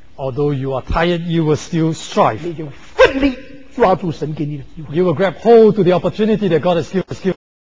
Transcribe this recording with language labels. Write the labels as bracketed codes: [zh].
[en] Although you are tired, you will still strive. [zh] 你就奋力抓住神给你的机会。 [en] You will grab hold to the opportunity that God has given you.